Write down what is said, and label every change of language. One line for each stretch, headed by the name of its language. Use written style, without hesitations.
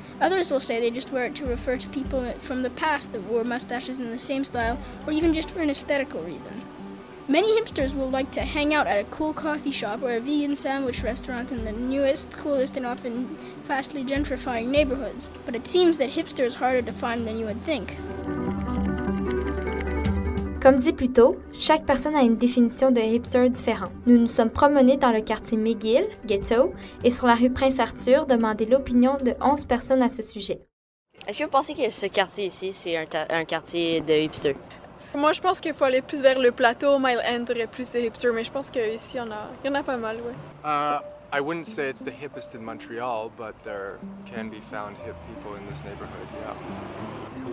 English: Others will say they just wear it to refer to people from the past that wore mustaches in the same style, or even just for an aesthetical reason. Many hipsters will like to hang out at a cool coffee shop or a vegan sandwich restaurant in the newest, coolest, and often fastly gentrifying neighborhoods. But it seems that hipster is harder to find than you would think.
French: Comme dit plus tôt, chaque personne a une définition de hipster différent. Nous nous sommes promenés dans le quartier McGill, ghetto, et sur la rue Prince Arthur, demander l'opinion de 11 personnes à ce sujet. Est-ce que vous pensez que ce quartier ici, c'est un quartier de hipster? Moi, je pense qu'il faut aller plus vers le plateau, Mile End aurait plus de hipster, mais je pense qu'ici, il y en a pas mal, ouais.
English: I wouldn't say it's the hippest in Montreal, but there can be found hip people in this neighborhood, yeah.